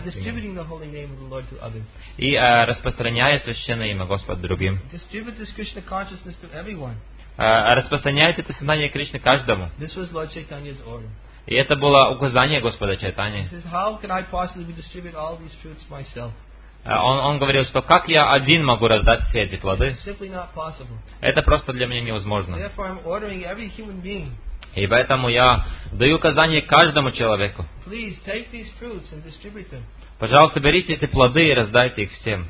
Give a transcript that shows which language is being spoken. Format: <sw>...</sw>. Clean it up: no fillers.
<en>By distributing the holy name of the Lord to others.</en> <ru>И распространяя священное имя Господа другим.</ru> <en>Distribute this Krishna consciousness to everyone.</en> <ru>Распространяет это сознание Кришны каждому.</ru> <en>This was Lord Chaitanya's order.</en> <ru>И это было указание Господа Чайтаньи.</ru> <en>He says, how can I possibly distribute all these fruits myself?</en> <ru>Он говорил, что как я один могу раздать все эти плоды?</ru> <en>Simply not possible.</en> <ru>Это просто для меня невозможно.</ru> <en>Therefore, I'm ordering every human being.</en> <ru>И поэтому я даю указание каждому человеку.</ru> <en>Please take these fruits and distribute them.</en> <ru>Пожалуйста, берите эти плоды и раздайте их всем.</ru>